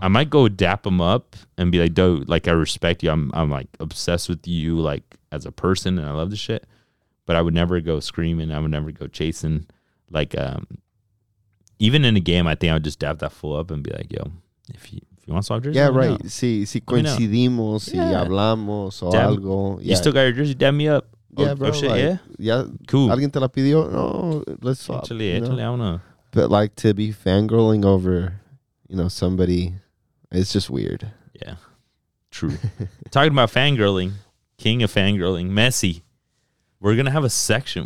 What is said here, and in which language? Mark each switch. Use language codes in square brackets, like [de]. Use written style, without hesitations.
[en] I might go dap them up and be like, dude, like, I respect you. I'm like, obsessed with you, like, as a person, and I love the shit, but I would never go screaming. I would never go chasing. Like, even in a game, I think I would just dab that fool up and be like, yo, if you want to swap jerseys, yeah, right. [es] Si coincidimos, si hablamos o algo. [en] Yeah. You still got your jersey, dab me up. Yeah, bro. Oh, shit, like, yeah. Cool. [es] Alguien te la pidió? No, [en] let's swap. Actually, I don't know. But, like, to be fangirling over, you know, somebody, it's just weird. Yeah. True. Talking about fangirling. King of fangirling, Messi. We're going to have a section.